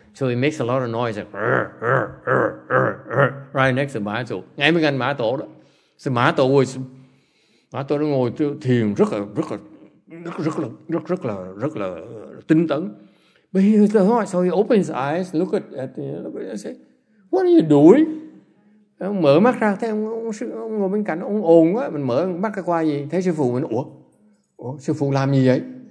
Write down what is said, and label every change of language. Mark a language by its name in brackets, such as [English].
[English] So he makes a lot of noise right next to Mã Tổ. [Vietnamese] Ngay bên cạnh Mã Tổ đó. So Mã Tổ ngồi thiền rất là rất là tinh tấn. [English] But he was the heart, so he opened his eyes, look at and say, "What are you doing?" [Vietnamese] Mở mắt ra thấy ông ngồi bên cạnh ông ồn quá, mình mở mắt ra qua gì thấy sư phụ mình, ủa sư phụ làm gì vậy?